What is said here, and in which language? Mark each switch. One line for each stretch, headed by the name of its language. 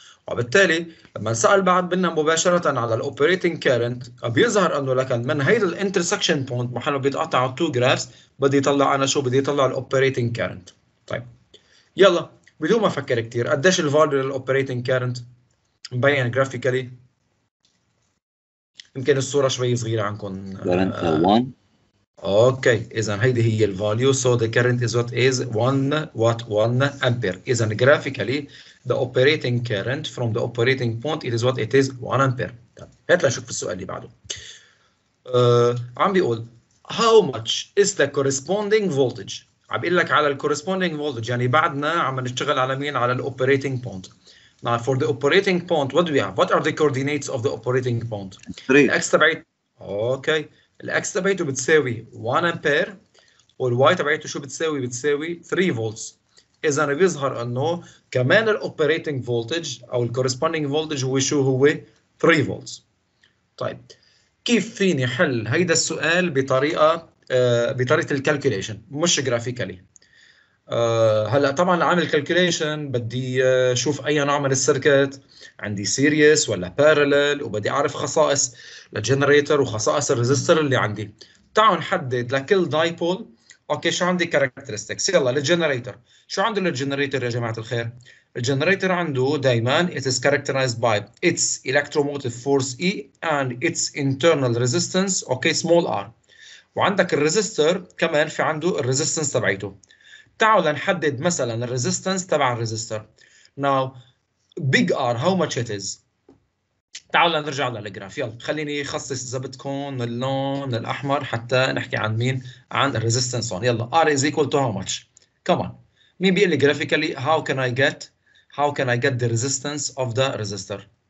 Arabic: وبالتالي لما نسأل بعد بنا مباشرة على
English: the operating current
Arabic: بيظهر أنه لكن من هيدا
English: the intersection point
Arabic: محله بيتقطع
English: two graphs
Arabic: بدي يطلع أنا شو بدي يطلع the operating current. طيب. يلا بدون ما أفكر كتير قديش ال
English: value of the operating current
Arabic: مبين graphically. يمكن الصورة شوي صغيرة عندكم.
English: Current 1.
Arabic: اوكي، إذا هيدي هي الـ value.
English: So the current is what is 1 watt 1 ampere. إذا graphically the operating current from the operating point it is what it is 1 ampere.
Arabic: هات لنشوف السؤال اللي بعده. عم بيقول
English: how much is the corresponding voltage؟
Arabic: عم بيقول لك على الـ corresponding voltage يعني بعدنا عم نشتغل على مين؟ على الـ operating point.
English: Now for the operating point, what do we have? What are the coordinates of the operating point? Three.
Arabic: X تبعيته. Okay.
English: The X
Arabic: تبعيته بتساوي
English: 1 ampere.
Arabic: والY تبعيته شو بتساوي؟ بتساوي 3 volts. إذا بيظهر أنه كمان ال operating voltage أو ال corresponding voltage هو شو هو؟ 3 volts. طيب. كيف فيني حل هيدا السؤال بطريقة بطريقة ال calculation مش graphically. هلا طبعا عامل كالكوليشن بدي اشوف اي نوع من السيركت عندي سيريس ولا بارلل وبدي اعرف خصائص الجنريتر وخصائص الريزستور اللي عندي. تعالوا نحدد لكل دايبول اوكي شو عندي كاركترستكس. يلا للجنريتر شو عنده للجنريتر يا جماعه الخير؟ الجنريتر عنده دائما
English: it is characterized by its electromotive force E and its internal resistance okay small r.
Arabic: وعندك الريزستور كمان في عنده الريزستنس تبعيته. تعالوا نحدد مثلا الريزيستنس تبع الريزيستر.
English: Now big R how much it is؟
Arabic: تعالوا نرجع للجراف. يلا خليني خصص اذا بدكم اللون الاحمر حتى نحكي عن مين؟ عن الريزيستنس هون.
English: يلا R is equal to how much؟
Arabic: كمان مين بيقول لي جرافيكالي
English: how can I get the resistance of the resistor؟